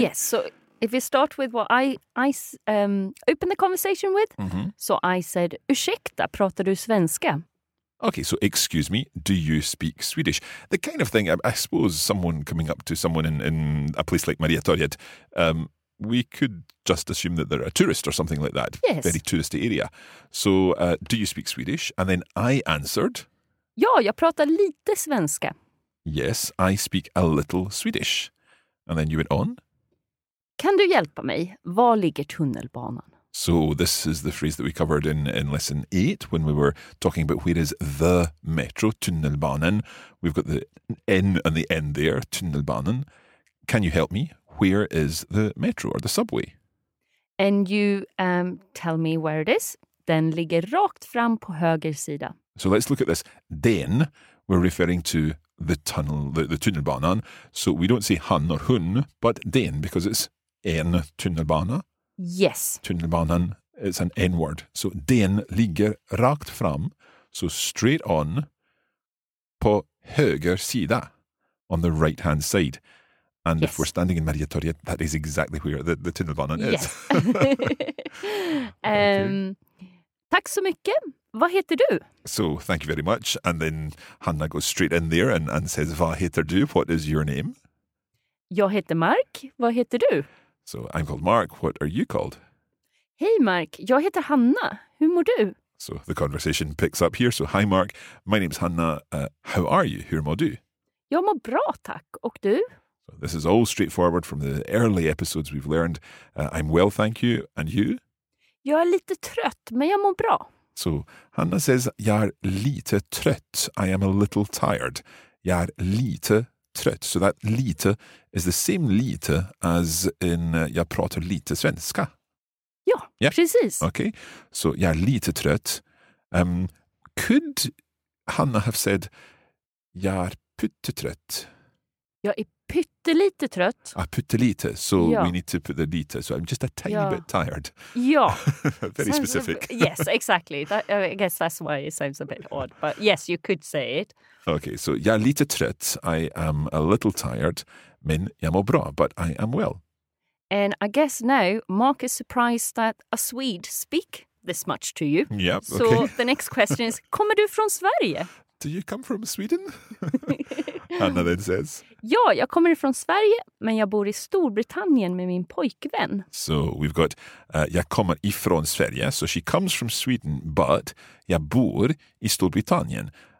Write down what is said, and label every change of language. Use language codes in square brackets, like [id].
[en] Yes, so if you start with what I opened the conversation with, So I said, [sv] ursäkta, pratar du svenska? [en] Okay, so excuse me, do you speak Swedish? The kind of thing, I suppose, someone coming up to someone in a place like Mariatorget, we could just assume that they're a tourist or something like that. Yes. Very touristy area. So, do you speak Swedish? And then I answered... [sv] Ja, jag pratar lite svenska. [en] Yes, I speak a little Swedish. And then you went on... [sv] Kan du hjälpa mig? Var ligger tunnelbanan? [en] So this is the phrase that we covered in lesson 8 when we were talking about where is the metro, tunnelbanan. We've got the N and the N there, tunnelbanan. Can you help me? Where is the metro or the subway? And you tell me where it is. [sv] Den ligger rakt fram på höger sida. [en] So let's look at this. Den, we're referring to the tunnel, the tunnelbanan. So we don't say han or hun, but den, because it's en tunnelbana. Yes. Tunnelbanan, it's an N word. So [sv] den ligger rakt fram, [en] so straight on, [sv] på höger sida, [en] on the right hand side. And yes. If we're standing in Mariatorget, that is exactly where the tunnelbanan yes. is. [sv] Okay. Tack så mycket. Vad heter du? [en] So thank you very much. And then Hanna goes straight in there and says, [sv] vad heter du? [en] What is your name? [sv] Jag heter Mark. Vad heter du? [en] So, I'm called Mark. What are you called? [sv] Hey, Mark. Jag heter Hanna. Hur mår du? [en] So, the conversation picks up here. So, hi, Mark. My name's Hanna. How are you? [sv] Hur mår du? Jag mår bra, tack. Och du? [en] So this is all straightforward from the early episodes we've learned. I'm well, thank you. And you? [sv] Jag är lite trött, men jag mår bra. [en] So, Hanna says, [sv] jag är lite trött. [en] I am a little tired. [sv] Jag är lite trött. [en] So that lite is the same lite as in [sv] jag pratar lite svenska. Ja, yeah. Precis. [en] Okay, so [sv] jag är lite trött. [en] Could Hanna have said [sv] jag är pyttetrött? Jag är pyttelite trött. [en] Pyttelite, so ja. We need to put the lite. So I'm just a tiny ja. Bit tired. [sv] Ja. [en] Very specific. Yes, exactly. I guess that's why it sounds a bit odd. But yes, you could say it. Okay, so [sv] jag är lite trött. [en] I am a little tired. [sv] Men jag mår bra, [en] but I am well. And I guess now Mark is surprised that a Swede speak this much to you. Yep, so okay. The next question is, [sv] kommer du från Sverige? [en] Do you come from Sweden? Anna then says. [sv] Ja, jag kommer från Sverige, men jag bor i Storbritannien med min pojkvän. [en] So we've got, [sv] jag kommer ifrån Sverige. [en] So she comes from Sweden, but [sv] jag bor i Storbritannien.